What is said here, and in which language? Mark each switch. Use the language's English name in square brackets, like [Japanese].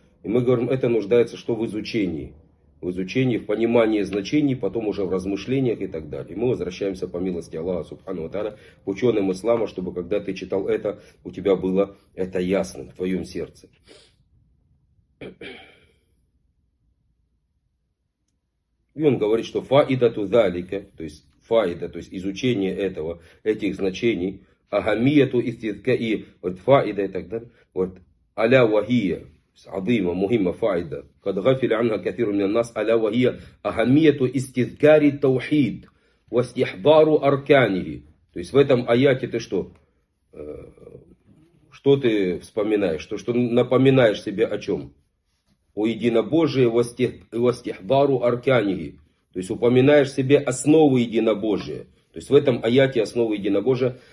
[Russian] И мы говорим, это нуждается что в изучении? В изучении, в понимании значений, потом уже в размышлениях и так далее. И мы возвращаемся по милости Аллаха Субхану ва Тааля к ученым ислама, чтобы когда ты читал это, у тебя было это ясно в твоем сердце. И он говорит, что фаидату далика, то есть фаида, то есть изучение этого, этих значений, [Arabic] أهمية استذكاء الفائدة تقدر وت... ألا وهي عظيمة مهمة فائدة قد غفل عنها كثير من الناس، ألا وهي أهمية استذكار التوحيد واستحضار أركانه. [Russian] То есть в этом аяте ты что? Что ты вспоминаешь? Что напоминаешь себе о чем? О единобожии востихбару арканиги. То есть упоминаешь себе основы единобожия. То есть в этом аяте основы единобожия.